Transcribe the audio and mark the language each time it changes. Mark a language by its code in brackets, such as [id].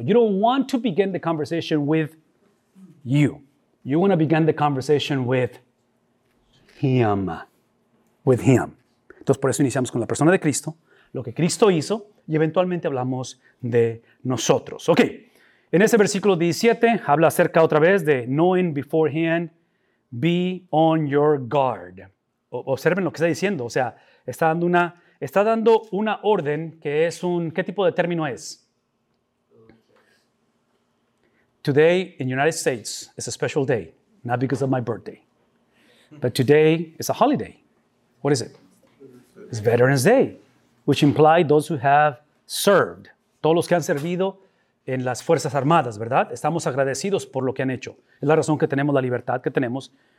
[en] You don't want to begin the conversation with you. You want to begin the conversation with him. With him. [es] Entonces, por eso iniciamos con la persona de Cristo, lo que Cristo hizo, y eventualmente hablamos de nosotros. Ok. En ese versículo 17, habla acerca otra vez de [en] knowing beforehand, be on your guard. [es] observen lo que está diciendo. O sea, está dando una orden que es un... ¿Qué tipo de término es? [en] Today in the United States is a special day, not because of my birthday. But today is a holiday. What is it? It's Veterans Day, which implies those who have served. [es] Todos los que han servido en las Fuerzas Armadas, ¿verdad? Estamos agradecidos por lo que han hecho. Es la razón que tenemos la libertad que tenemos.